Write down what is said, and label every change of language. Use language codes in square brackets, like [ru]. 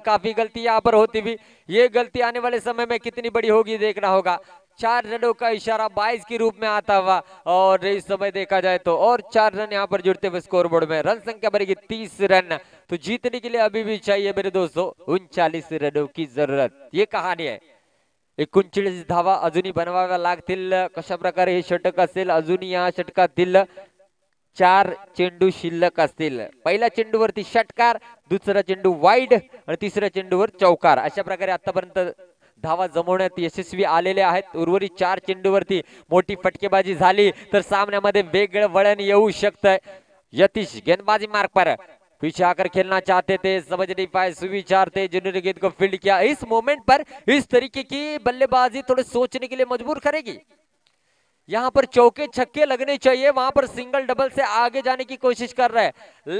[hi] काफी गलती यहां पर होती भी, ये गलती आने वाले समय में कितनी बड़ी होगी देखना होगा। 4 रनों का इशारा 22 के रूप में आता हुआ, और इस समय देखा जाए तो और 4 रन यहां पर जुड़ते हुए स्कोरबोर्ड में। रन संख्या बढ़ेगी 30 रन, तो जीतने के लिए अभी भी चाहिए मेरे दोस्तों 39 रनों की जरूरत। ये कहानी है, [mr] 39 धावा अजूनी बनवाव्या लागतील, कशा प्रकारे हे षटक असेल, अजूनी या षटकातील 4 चेंडू शिल्लक असतील। पहिला चेंडू वरती षटकार, दुसरा चेंडू वाइड आणि तिसरा चेंडू वर चौकार, अशा प्रकारे आतापर्यंत धावा जमवण्यात यशस्वी आलेले आहेत। उर्वरित 4 चेंडू वरती मोठी फटकेबाजी झाली तर सामन्यामध्ये वेगळं वळण येऊ शकतं। [hi] यतीश गेंदबाजी मार्ग पर पीछे आकर खेलना चाहते थे, समझ नहीं पाए सुविचार थे जिन्होंने गेंद को फील्ड किया। इस मोमेंट पर इस तरीके की बल्लेबाजी थोड़े सोचने के लिए मजबूर करेगी, यहां पर चौके छक्के लगने चाहिए, वहां पर सिंगल डबल से आगे जाने की कोशिश कर रहे हैं।